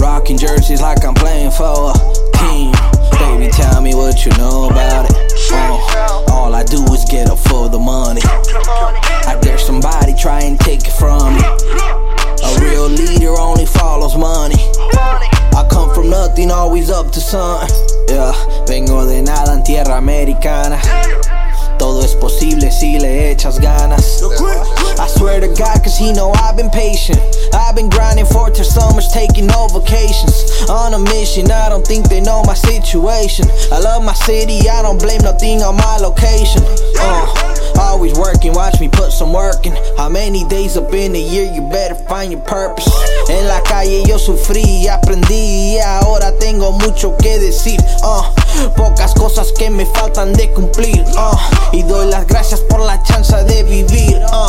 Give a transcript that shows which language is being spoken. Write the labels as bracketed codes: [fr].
[en] Rocking jerseys like I'm playing for a team. Baby, tell me what you know about it. All I do is get up for the money. I dare somebody try and take it from me. A real leader only follows money. I come from nothing, always up to something. [es] Yeah, vengo de nada en tierra americana. Todo es posible si le echas ganas. [en] I swear to God, cause he know I've been patient. I've been grinding for two summers, taking no vacations. On a mission, I don't think they know my situation. I love my city, I don't blame nothing on my location. Always working, watch me put some work in. How many days up in a year, you better find your purpose. [es] En la calle yo sufrí y aprendí. Y ahora tengo mucho que decir. Pocas cosas que me faltan de cumplir. Y doy las gracias por la chance de vivir.